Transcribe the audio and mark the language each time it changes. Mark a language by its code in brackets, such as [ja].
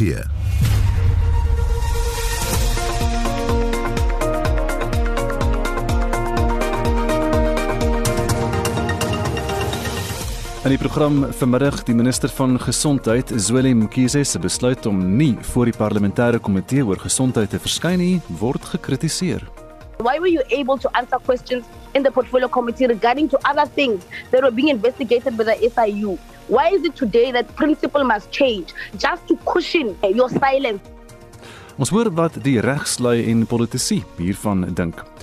[af] In die program vanmiddag, die minister van gesondheid, Zweli Mkhize, se besluit om nie voor die parlementêre komitee oor gesondheid te verskyn nie, word gekritiseer. [en] Why were you able to answer questions in the portfolio committee regarding to other things that were being investigated by the SIU? Why is it today that principle must change just to cushion your silence? [af] Ons hoor wat die regslui en politici hiervan dink.